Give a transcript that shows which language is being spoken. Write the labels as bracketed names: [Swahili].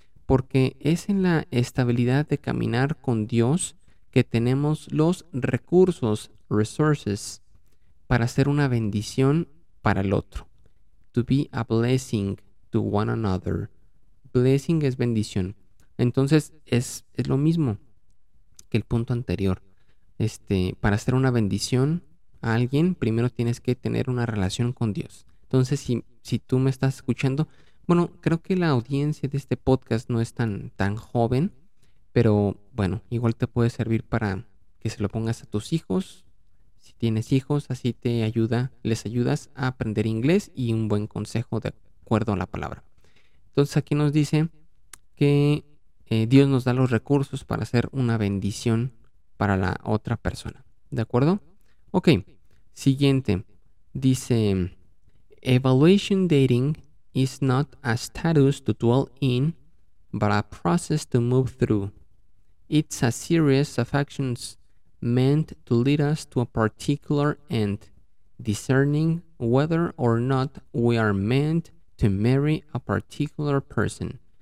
[Spanish] porque es en la estabilidad de caminar con Dios que tenemos los recursos, resources, para ser una bendición para el otro. [English] To be a blessing to one another. [Spanish] Blessing es bendición. Entonces es lo mismo que el punto anterior. Para ser una bendición a alguien, primero tienes que tener una relación con Dios. Entonces, si tú me estás escuchando, bueno, creo que la audiencia de este podcast no es tan joven, pero bueno, igual te puede servir para que se lo pongas a tus hijos. Si tienes hijos, así te ayuda, les ayudas a aprender inglés y un buen consejo de acuerdo a la palabra. Entonces, aquí nos dice que Dios nos da los recursos para hacer una bendición para la otra persona. ¿De acuerdo? Ok, siguiente. Dice, [English] Evaluation dating is not a status to dwell in, but a process to move through. It's a series of actions meant to lead us to a particular end, discerning whether or not we are meant to marry a particular person.